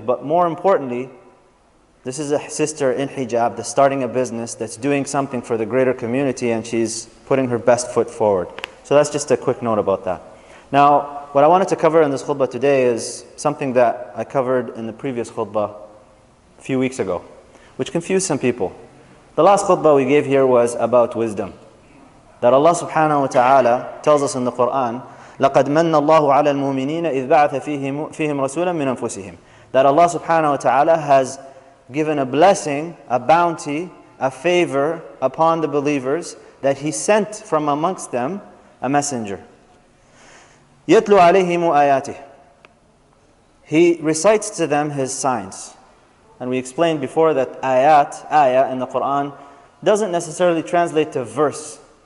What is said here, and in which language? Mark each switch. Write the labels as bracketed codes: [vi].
[en] But more importantly, this is a sister in hijab that's starting a business that's doing something for the greater community, and she's putting her best foot forward. So that's just a quick note about that. Now, what I wanted to cover in this khutbah today is something that I covered in the previous khutbah a few weeks ago, which confused some people. The last khutbah we gave here was about wisdom. That Allah subhanahu wa ta'ala tells us in the Quran, [ar] لَقَدْ مَنَّ اللَّهُ عَلَى الْمُؤْمِنِينَ إِذْ بَعَثَ فِيهِمْ رَسُولًا مِّنْ أَنفُسِهِمْ. [en] That Allah subhanahu wa ta'ala has given a blessing, a bounty, a favor upon the believers that He sent from amongst them a messenger. [ar] يَتْلُوا عَلَيْهِمُ آيَاتِهِ. [en] He recites to them his signs. And we explained before that ayat, ayah in the Quran, doesn't necessarily translate to verse.